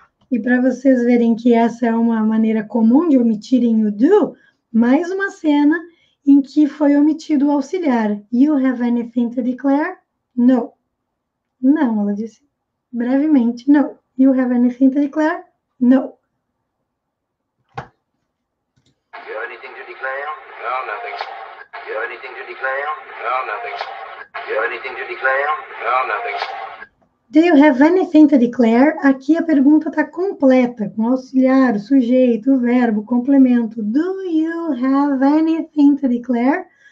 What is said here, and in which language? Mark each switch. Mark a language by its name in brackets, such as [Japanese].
[Portuguese] E para vocês verem que essa é uma maneira comum de omitirem o do, mais uma cena em que foi omitido o auxiliar. [English] You have anything to declare? No. [Portuguese] Não, ela disse brevemente. [English] No. You have anything to declare? No. to declare? No, nothing. You have anything to declare? No, nothing. You have anything to declare? No, nothing. Do you have anything to declare? [Portuguese] Aqui a pergunta está completa, com auxiliar, sujeito, verbo, complemento. [English] Do you have anything to declare?